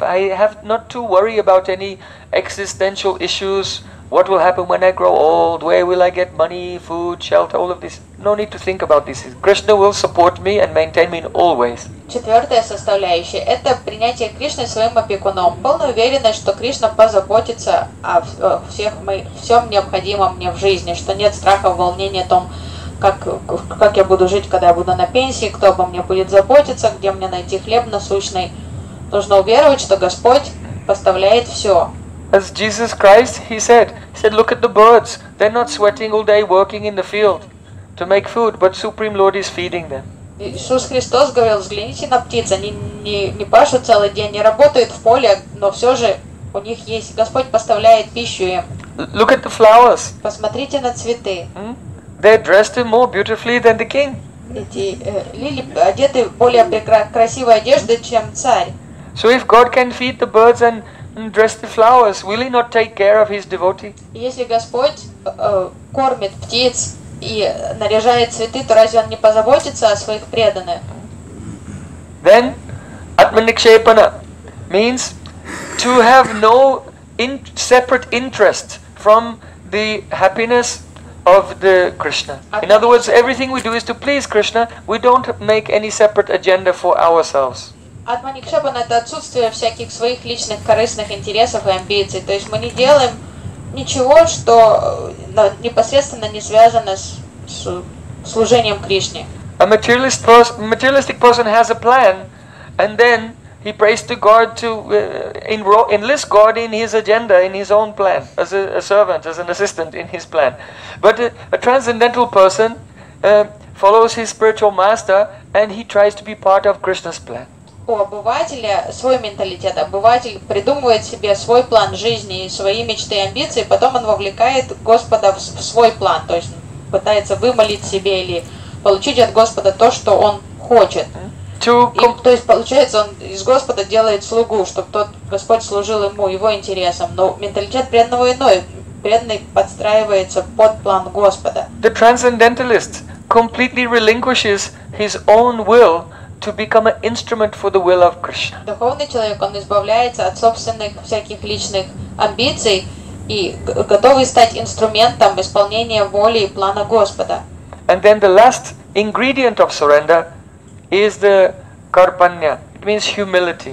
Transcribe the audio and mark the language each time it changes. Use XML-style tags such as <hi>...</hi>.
<en>I have not to worry about any existential issues. What will happen when I grow old? Where will I get money, food, shelter, all of this? No need to think about this. Krishna will support me and maintain me always.</en> <ru>Четвертая составляющая – это принятие Кришны своим опекуном. Полная уверенность, что Кришна позаботится о всех всем необходимом мне в жизни, что нет страха, волнения о том, как я буду жить, когда я буду на пенсии, кто обо мне будет заботиться, где мне найти хлеб насущный. Нужно уверовать, что Господь поставляет все.</ru> <en>As Jesus Christ, he said, look at the birds. They're not sweating all day working in the field to make food, but Supreme Lord is feeding them.</en> <ru>Иисус Христос говорил, взгляните на птиц, они не пашут целый день, не работают в поле, но все же у них есть, Господь поставляет пищу им.</ru> <en>Look at the flowers.</en> <ru>Посмотрите на цветы.</ru> <en>They're dressed more beautifully than the king.</en> <ru>Эти лилии одеты в более красивой одежды, чем царь.</ru> <en>So if God can feed the birds and dress the flowers, will he not take care of his devotee?</en> <ru>Если Господь кормит птиц и наряжает цветы, то разве он не позаботится о своих преданных?</ru> <en>Then, atmanikshepana means to have no separate interest from the happiness of the Krishna. In other words, everything we do is to please Krishna. We don't make any separate agenda for ourselves.</en> <ru>Атманикшепана – это отсутствие всяких своих личных корыстных интересов и амбиций. То есть мы не делаем ничего, что непосредственно не связано с служением Кришне.</ru> <en>A materialistic person has a plan, and then he prays to God to enlist God in his agenda, in his own plan, as a servant, as an assistant in his plan. But a transcendental person follows his spiritual master, and he tries to be part of Krishna's plan.</en> <ru>У обывателя свой менталитет. Обыватель придумывает себе свой план жизни, свои мечты и амбиции, потом он вовлекает Господа в свой план, то есть пытается вымолить себе или получить от Господа то, что он хочет. То есть получается, он из Господа делает слугу, чтобы тот Господь служил ему, его интересам. Но менталитет преданного иной. Преданный подстраивается под план Господа.</ru> <en>The transcendentalist completely relinquishes his own will to become an instrument for the will of Krishna.</en> <ru>Духовный человек, он избавляется от собственных всяких личных амбиций и готовый стать инструментом исполнения воли и плана Господа.</ru> <en>And then the last ingredient of surrender is the karpanya. It means humility.</en>